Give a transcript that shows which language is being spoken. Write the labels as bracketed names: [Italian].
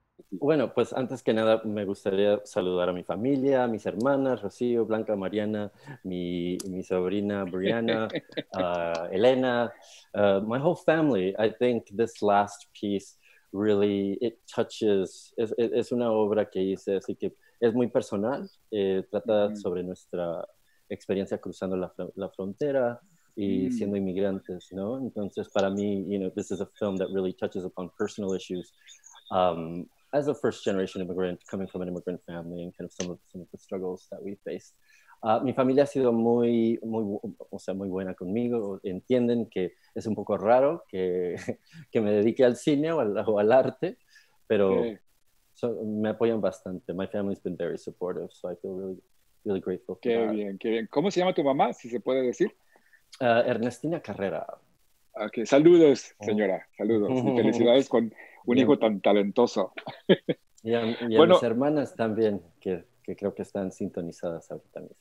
[Spanish] Bueno, pues antes que nada me gustaría saludar a mi familia, a mis hermanas, Rocío, Blanca, Mariana, mi sobrina, Brianna, Elena, [English] my whole family. I think this last piece really it touches. [Spanish] Es una obra que hice, así que es muy personal. Trata sobre nuestra experiencia cruzando la frontera y siendo inmigrantes, ¿no? Entonces, para mí, [English] you know, this is a film that really touches upon personal issues. As a first-generation immigrant, coming from an immigrant family, and kind of some of the struggles that we faced. [Spanish] Mi familia ha sido muy, muy, o sea, muy buena conmigo. Entienden que es un poco raro que me dedique al cine o al arte, pero okay. Me apoyan bastante. [English] My family's been very supportive, so I feel really, really grateful for [Spanish] qué [English] that. [Spanish] Bien, qué bien. ¿Cómo se llama tu mamá, si se puede decir? Ernestina Carrera. Ok, saludos, señora. Saludos y felicidades con un hijo tan talentoso. Y a mis hermanas también, que creo que están sintonizadas ahorita mismo.